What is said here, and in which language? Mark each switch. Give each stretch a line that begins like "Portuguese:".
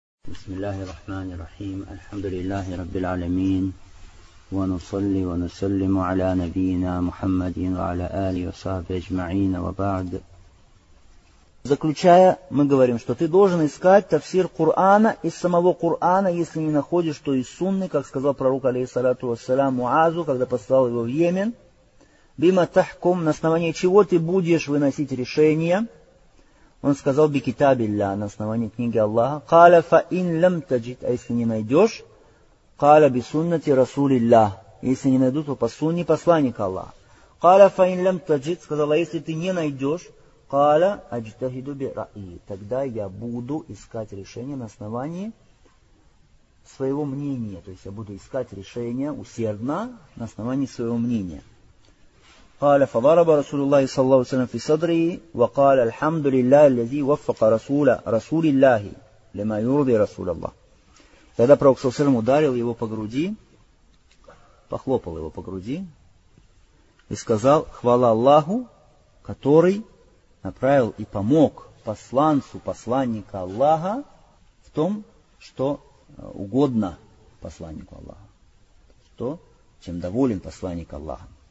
Arabic: بسم الله الرحمن الرحيم الحمد لله رب العالمين ونصلي ونسلم على نبينا محمد وعلى آله وصحبه أجمعين وبعد.
Russian: Заключая, мы говорим, что ты должен искать тафсир Кур'ана из самого Кур'ана, если не находишь, то из Сунны, как сказал пророк, алейхиссалату вассалям, Муазу, когда послал его в Йемен.
Arabic: Бима тахком,
Russian: на основании чего ты будешь выносить решение? Он сказал,
Arabic: бикитабилля,
Russian: на основании книги Аллаха.
Arabic: Каля фа ин лям таджит,
Russian: а если не найдешь,
Arabic: каля би суннати расулилля,
Russian: если не найду, то по сунне посланника Аллаха.
Arabic: Каля фа ин лям таджит,
Russian: сказал, а если ты не найдешь,
Arabic: каля аджитахиду би раи,
Russian: тогда я буду искать решение на основании своего мнения. То есть я буду искать решение усердно на основании своего мнения.
Arabic: قال فضرب رسول الله صلى الله عليه وسلم في صدري وقال الحمد لله الذي وفق رسول الله لما يرضي رسول الله.
Russian: Тогда пророк саллаллаху алейхи ва саллям ударил его по груди, похлопал его по груди и сказал: хвала Аллаху, который направил и помог посланцу, посланника Аллаха в том, что угодно посланнику Аллаха, то, чем доволен посланник Аллаха.